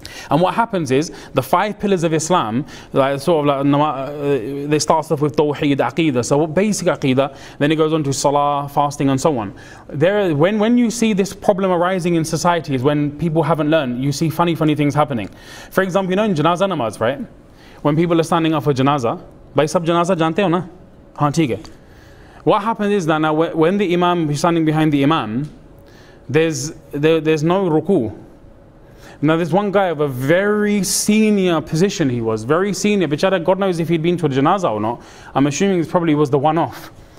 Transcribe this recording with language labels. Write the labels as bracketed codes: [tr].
[en] And what happens is, the five pillars of Islam, they start off with Tawheed, Aqeedah, so basic Aqeedah, then it goes on to Salah, fasting and so on. There, when you see this problem arising in societies, when people haven't learned, you see funny things happening. For example, you know in Janaza Namaz, right? When people are standing up for [ur] جنازہ، بھائی سب جنازہ جانتے ہو نا? ہاں، ٹھیک ہے۔ [en] What happens is that now, when the Imam is standing behind the Imam, there's no ruku. Now this one guy of a very senior position, he was very senior, bichara, God knows if he'd been to a janaza or not, I'm assuming it probably was the one off.